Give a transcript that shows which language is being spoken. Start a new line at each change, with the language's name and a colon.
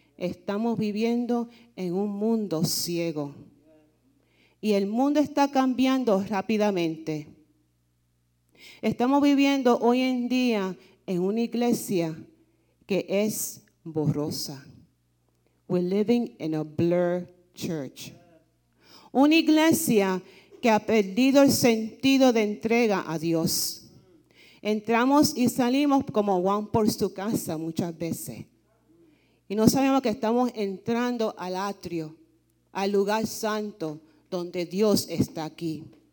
Spanish: Estamos viviendo en un mundo ciego. Y el mundo está cambiando rápidamente. Estamos viviendo hoy en día en una iglesia que es borrosa.
English: We're living in a blur church.
Spanish: Una iglesia que ha perdido el sentido de entrega a Dios. Entramos y salimos como van por su casa muchas veces. Y no sabemos que estamos entrando al atrio, al lugar santo donde Dios está aquí.